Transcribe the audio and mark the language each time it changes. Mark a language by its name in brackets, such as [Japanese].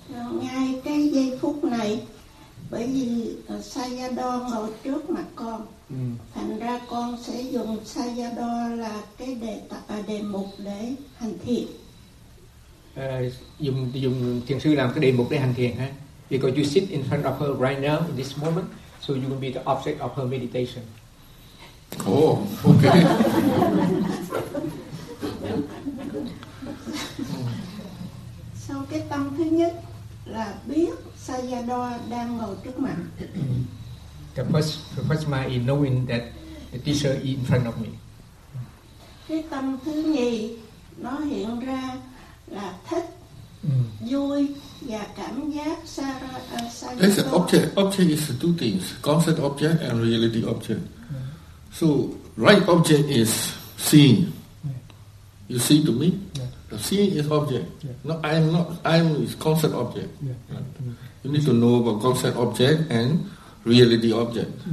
[Vietnamese] Ngay cái giây phút này, bởi vì Sayadaw ngồi trước mặt con, thành ra con sẽ dùng Sayadaw là cái đề mục để hành thiện. Dùng thiền sư làm cái đề mục để hành thiền ha. [English] Because you sit in front of her right now in this moment, so you will be the object of her meditation. Oh, okay. [Vietnamese] So cái tâm thứ nhất là biết Sayadaw đang ngồi trước mặt. [English] The first mind is knowing that the teacher is in front of me. [Vietnamese] Cái tâm thứ nhì nó hiện ra là thích, vui và cảm giác Sayadaw. [English] It's an object. Object is two things: concept object and reality object. So right object is seeing. You see to me. Yeah. Seeing is object. Yeah. No, I am not. I am is concept object. Yeah. Yeah. You need to know about concept object and reality object.